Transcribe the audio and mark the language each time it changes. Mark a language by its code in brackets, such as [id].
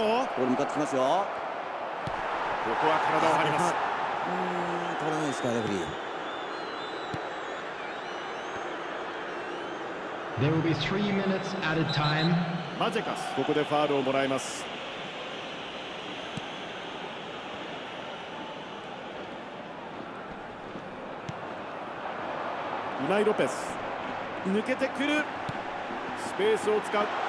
[ja] ボール向かってきますよ。ここは体を張ります。取らないですか、レフリー。 [en] There will be 3 minutes at a time. [ja] マジェカス、ここでファールをもらいます。ウナイロペス、抜けてくる、スペースを使う。